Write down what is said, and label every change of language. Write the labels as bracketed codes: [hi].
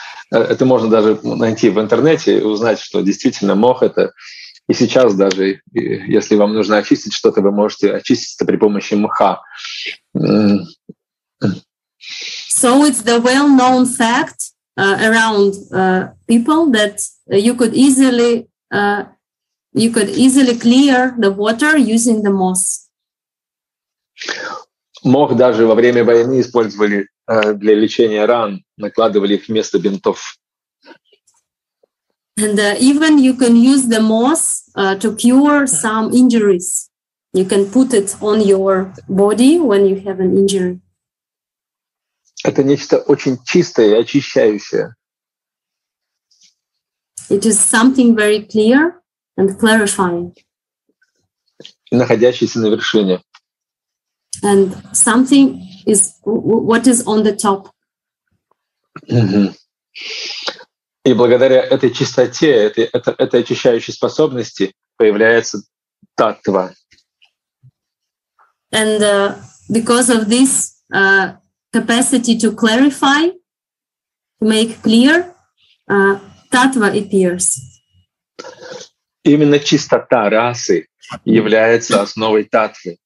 [ru] Это можно даже найти в интернете и узнать, что действительно мох это. И сейчас даже, если вам нужно очистить что-то, вы можете очистить это при помощи мха. [en] So it's the well-known fact around people that you could easily clear the water using the moss. [ru] Мох даже во время войны использовали для лечения ран, накладывали их вместо бинтов. [en] And even you can use the moss to cure some injuries. You can put it on your body when you have an injury. [ru] Это нечто очень чистое и очищающее. [en] It is something very clear and clarifying. [ru] Находящееся на вершине. [en] And something is what is on the top. [ru] И благодаря этой чистоте, этой очищающей способности появляется таттва. [en] And because of this capacity to clarify, to make clear, таттва appears. [ru] Именно чистота расы является основой таттвы.